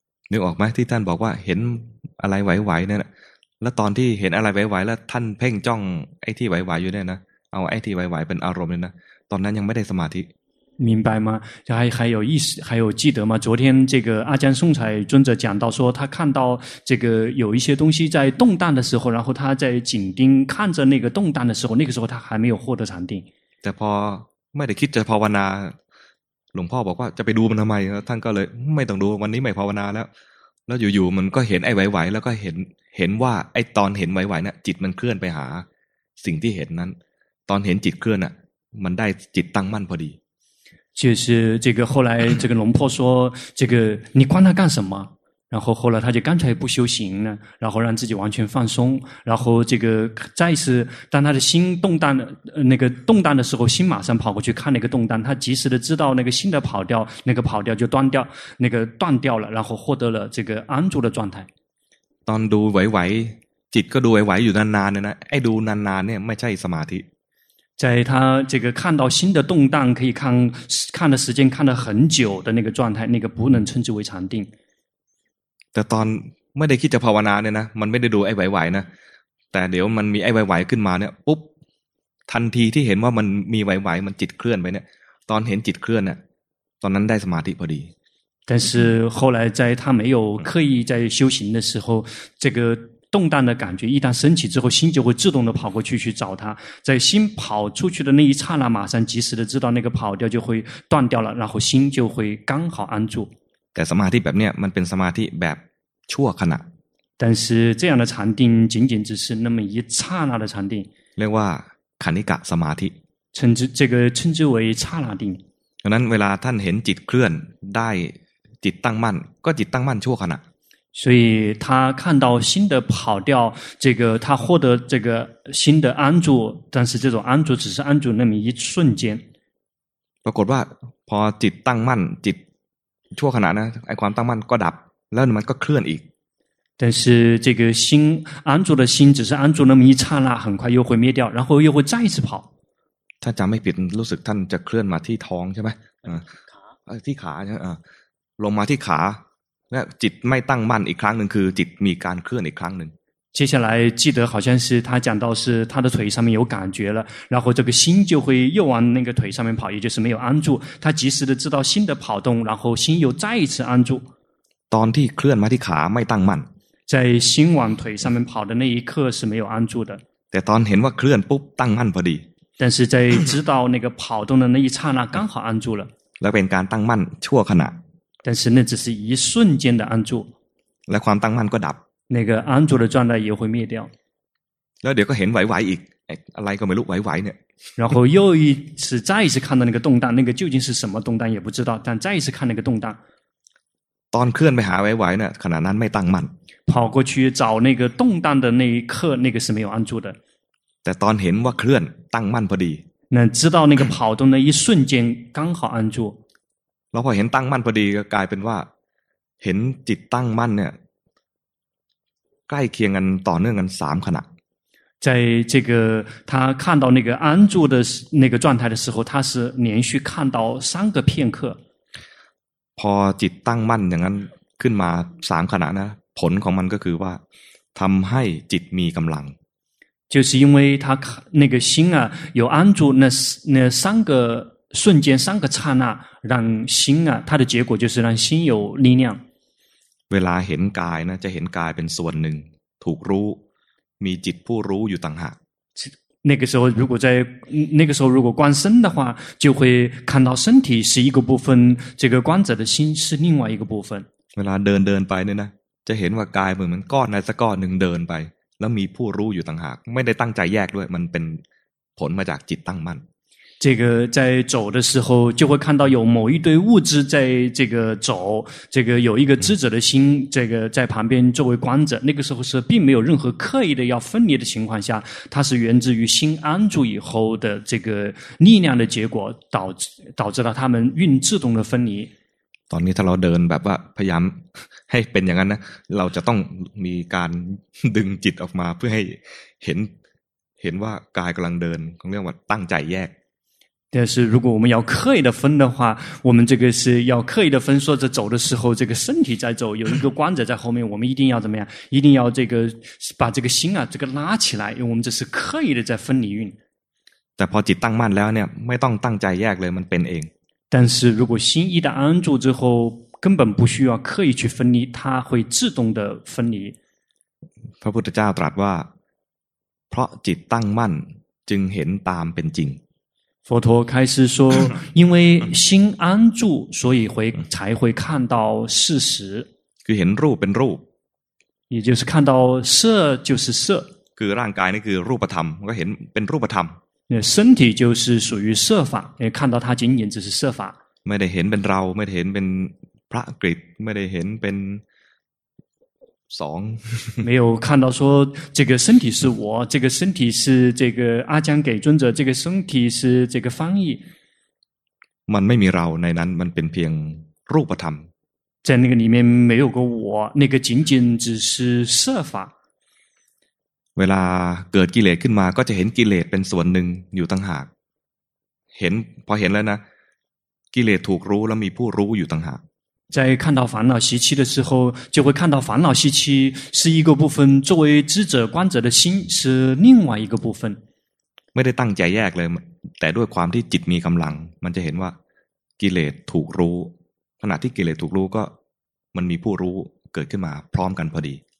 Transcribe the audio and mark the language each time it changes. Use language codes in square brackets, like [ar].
[th] นึกออกไหมที่ท่านบอกว่าเห็นอะไรไหวๆเนี่ยแล้วตอนที่เห็นอะไรไหวๆแล้วท่านเพ่งจ้องไอ้ที่ไหวๆอยู่เนี่ยนะเอาไอ้ที่ไหวๆเป็นอารมณ์เลยนะตอนนั้นยังไม่ได้สมาธิ [zh] 明白吗？还有记得吗？昨天这个阿姜宋彩尊者讲到说，他看到这个有一些东西在动荡的时候，然后他在紧盯看着那个动荡的时候，那个时候他还没有获得禅定。 [th] แต่พอไม่ได้คิดจะภาวนาหลวงพ่อบอกว่าจะไปดูมันทำไมท่านก็เลยไม่ต้องดูวันนี้ไม่ภาวนาแล้วแล้วอยู่ๆมันก็เห็นไอ้ไหวๆแล้วก็เห็นว่าไอ้ตอนเห็นไหวๆเนี่ยจิตมันเคลื่อนไปหาสิ่งที่เห็นนั้นตอนเห็นจิตเคลื่อนอ่ะมันได้จิตตั้งมั่นพอดี [zh] 就是这个后来这个龙婆说这个你管他干什么然后后来他就干脆不修行了然后让自己完全放松然后这个再次当他的心动荡那个动荡的时候心马上跑过去看那个动荡他及时的知道那个心的跑掉那个跑掉就断掉那个断掉了然后获得了这个安住的状态当 [th] ดูไหวๆจิตก็ดูไหวๆอยู่นานๆนะไอ้ดูนานๆเนี่ยไม่ใช่สมาธิ [zh] 在他这个看到新的动荡，可以看看的时间看了很久的那个状态，那个不能称之为禅定。 [th] แต่ตอนไม่ได้คิดจะภาวนาเนี่ยนะมันไม่ได้ดูไอ้ไหวๆนะแต่เดี๋ยวมันมีไอ้ไหวๆขึ้นมาเนี่ยปุ๊บทันทีที่เห็นว่ามันมีไหวๆมันจิตเคลื่อนไปเนี่ยตอนเห็นจิตเคลื่อนเนี่ยตอนนั้นได้สมาธิพอดี [zh] 但是后来在他没有刻意在修行的时候，这个动荡的感觉一旦升起之后，心就会自动的跑过去去找他。在心跑出去的那一刹那，马上及时的知道那个跑掉就会断掉了，然后心就会刚好安住。 [th] แต่สมาธิแบบเนี้ยมันเป็นสมาธิแบบชั่วขณะ。 [zh] 但是这样的禅定仅仅只是那么一刹那的禅定。 [th] เรียกว่าขณิกะสมาธิ。 [zh] 称之为刹那定。 [th] ดังนั้นเวลาท่านเห็นจิตเคลื่อนได้จิตตั้งมั่นก็จิตตั้งมั่นชั่วขณะ [zh] 所以他看到心的跑掉，这个他获得这个心的安住，但是这种安住只是安住那么一瞬间。 [th] ปรากฏว่าพอจิตตั้งมั่นจิตชั่วขณะนะไอความตั้งมั่นก็ดับแล้วมันก็เคลื่อนอีก [zh] 但是这个心安住的心只是安住那么一刹那，很快又会灭掉，然后又会再一次跑。 [th] ท่านจำไม่ผิดรู้สึกท่านจะเคลื่อนมาที่ท้องใช่ไหมที่ขาใช่ไหมลงมาที่ขาและจิตไม่ตั้งมั่นอีกครั้งหนึ่งคือจิตมีการเคลื่อนอีกครั้งหนึ่ง [zh] 接下来记得好像是他讲到是他的腿上面有感觉了然后这个心就会又往那个腿上面跑也就是没有安住他及时的知道心的跑动然后心又再一次安住 [th] ตอนที่เคลื่อนมาที่ขาไม่ตั้งมั่น [zh] 在心往腿上面跑的那一刻是没有安住的 [th] แต่ตอนเห็นว่าเคลื่อนปุ๊บตั้งมั่นพอดี แต่ [zh] 是在知道那个跑动的那一刹那刚好安住了 [th] แล้วเป็นการตั้งมั่นชั่วขณะ [zh] 但是那只是一瞬间的安住 [th] และความตั้งมั่นก็ดับ [zh] 那个安住的状态也会灭掉 [th] แล้วเดี๋ยวก็เห็นไหวๆอีกอะไรก็ไม่รู้ไหวๆเนี่ย [zh] 然后又一次再一次看到那个动荡那个究竟是什么动荡也不知道但再一次看那个动荡 [th] ตอนเคลื่อนไปหาไหวๆเนี่ยขณะนั้นไม่ตั้งมั่น [zh] 跑过去找那个动荡的那一刻那个是没有安住的 [th] แต่ตอนเห็นว่าเคลื่อนตั้งมั่นพอดี [zh] 那知道那个跑动的一瞬间刚好安住 [th] แล้วพอเห็นตั้งมั่นพอดีก็กลายเป็นว่าเห็นจิตตั้งมั่นเนี่ยใกล้เคียงกันต่อเนื่องกันสามขณะ [zh] 在这个他看到那个安住的那个状态的时候他是连续看到三个片刻 [th] พอจิตตั้งมั่นอย่างนั้นขึ้นมาสามขณะนะผลของมันก็คือว่าทำให้จิตมีกำลัง [zh] 就是因为他那个心啊有安住那三个瞬间三个刹那让心啊它的结果就是让心有力量 [th] เวลาเห็นกายนะจะเห็นกายเป็นส่วนหนึ่งถูกรู้มีจิตผู้รู้อยู่ต่างหาก [zh] 那个时候如果在那个时候如果观身的话就会看到身体是一个部分这个观者的心是另外一个部分 [th] เวลาเดินเดินไปเนี่ยนะจะเห็นว่ากายเหมือนก้อนนะสักก้อนหนึ่งเดินไปแล้วมีผู้รู้อยู่ต่างหากไม่ได้ตั้งใจแยกด้วยมันเป็นผลมาจากจิตตั้งมั่น [zh] 这个在走的时候就会看到有某一堆物质在这个走这个有一个知者的心这个在旁边作为观者那个时候是并没有任何刻意的要分离的情况下它是源自于心安住以后的这个力量的结果导致了他们运自动的分离 [th] ตอนนี้ถ้าเราเดินแบบว่าพยายามให้เป็นอย่างนั้นนะเราจะต้องมีการดึงจิตออกมาเพื่อให้เห็นว่ากายกำลังเดินเรียกว่าตั้งใจแยก [zh] 但是如果我们要刻意的分的话我们这个是要刻意的分说着走的时候这个身体在走有一个观者在后面我们一定要怎么样一定要这个把这个心啊这个拉起来因为我们这是刻意的在分离运 [th] แต่พอจิตตั้งมั่นแล้วเนี่ยไม่ต้องตั้งใจแยกเลยมันเป็นเอง [zh] 但是如果心一旦安住之后根本不需要刻意去分离它会自动的分离 [th] พระพุทธเจ้าตรัสว่าเพราะจิตตั้งมั่นจึงเห็นตามเป็นจริง [zh] 佛陀开始说因为心安住所以才会看到事实 [th] คือเห็นรูปเป็นรูป [zh] 也就是看到色就是色 [th] คือร่างกายนี่คือรูปธรรมก็เห็นเป็นรูปธรรม [zh] 身体就是属于色法看到它仅仅只是色法 [th] ไม่ได้เห็นเป็นเราไม่ได้เห็นเป็นพระกฤตไม่ได้เห็นเป็นสอง [zh] 没有看到说这个身体是我这个身体是这个阿姜给尊者这个身体是这个翻译 [th] มันไม่มีเราในนั้นมันเป็นเพียงรูปธรรม [zh] 在那个里面没有个我那个仅仅只是色法 [th] เวลาเกิดกิเลสขึ้นมาก็จะเห็นกิเลสเป็นส่วนหนึ่งอยู่ต่างหากเห็นพอเห็นแล้วนะกิเลสถูกรู้แล้วมีผู้รู้อยู่ต่างหาก [zh] 在看到烦恼习气的时候，就会看到烦恼习气是一个部分，作为知者观者的心是另外一个部分。 [th] ไม่ได้ตั้งใจแยกเลยแต่ด้วยความที่จิตมีกำลังมันจะเห็นว่ากิเลสถูกรู้ขณะที่กิเลสถูกรู้ก็มันมีผู้รู้เกิดขึ้นมาพร้อมกันพอดี